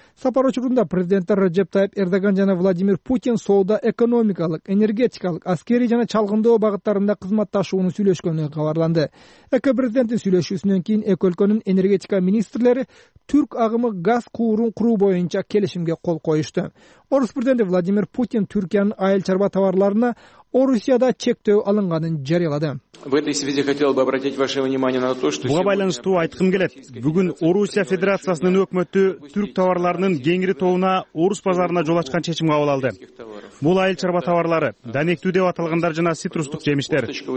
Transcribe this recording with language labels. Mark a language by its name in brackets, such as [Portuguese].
[Kyrgyz] Сапар учурунда президенттер Реджеп Тайип Эрдоган жана Владимир Путин соода, экономикалык, энергетикалык, аскерий жана чалгындоо багыттарында кызматташууну сүйлөшкөнү кабарланды. Эки президенттин сүйлөшүүсүнөн кийин эки өлкөнүн энергетика министрлери түрк агымы газ куурун куруу боюнча келишимге кол коюшту. Орус президенти Владимир Путин Түркиянын айыл чарба товарларына Орусияда чектөө алынганын жарыялады. [Russian] В этой связи хотел бы обратить ваше внимание на то, что [Kyrgyz] байланыштуу айткым келет. Бүгүн Орусия Федерациясынын өкмөтү түрк товарларынын Кеңири тоуна, орус базарына жол ачкан чечим кабыл алды. Бул айыл чарба товарлары, данектүү деп аталгандар жана цитрустук жемиштер.